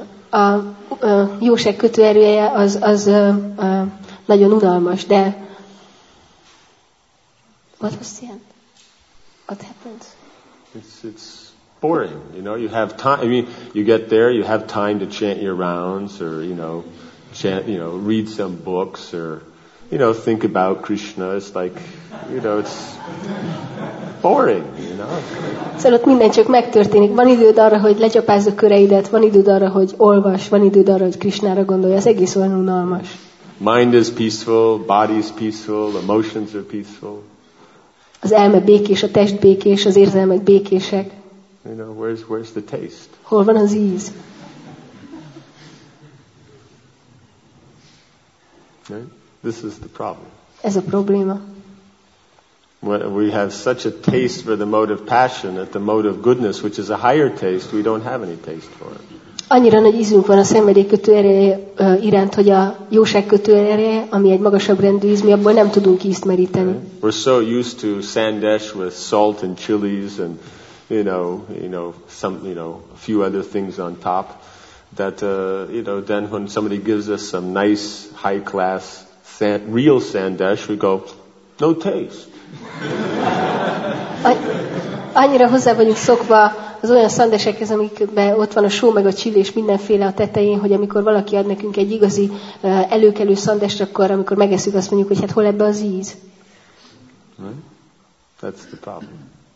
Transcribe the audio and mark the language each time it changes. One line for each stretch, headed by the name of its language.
Hungarian: A jóság kötőerője az nagyon unalmas, de
English: what was the end? What happened? It's boring, you know. You have time. I mean, you get there, you have time to chant your rounds, or you know, chant, you know, read some books, or you know, think about Krishna. It's like, you know, it's boring, you know.
Hungarian: Szóval ott minden csak megtörténik. Van időd arra, hogy lecsapázd a köreidet, van időd arra, hogy olvas, van időd arra, hogy Krishnára gondolj. Ez egész olyan unalmas.
English: Mind is peaceful, body is peaceful, emotions are peaceful.
Hungarian: Az elme békés, a test békés, az érzelmek békések.
English: You know, where's the taste?
Hungarian: Hol van az íz?
English: Right? This is the problem.
Hungarian: Ez a probléma.
English: We have such a taste for the mode of passion at the mode of goodness, which is a higher taste. We don't have any taste for it.
Hungarian: Annyira nagy ízünk van a szenvedélykötő ereje iránt, hogy a jóságkötő ereje, ami egy magasabb rendű íz, mi abból nem tudunk ízt meríteni.
English: Okay. We're so used to sandesh with salt and chilies and you know a few other things on top that you know, then when somebody gives us some nice high class real sandesh, we go, no taste.
Hungarian: Annyira hozzá vagyunk szokva az olyan szandesekhez, amikben ott van a só, meg a csili, és mindenféle a tetején, hogy amikor valaki ad nekünk egy igazi előkelő szandest, akkor amikor megeszük, azt mondjuk, hogy hát hol ebbe az íz?
English: That's the problem.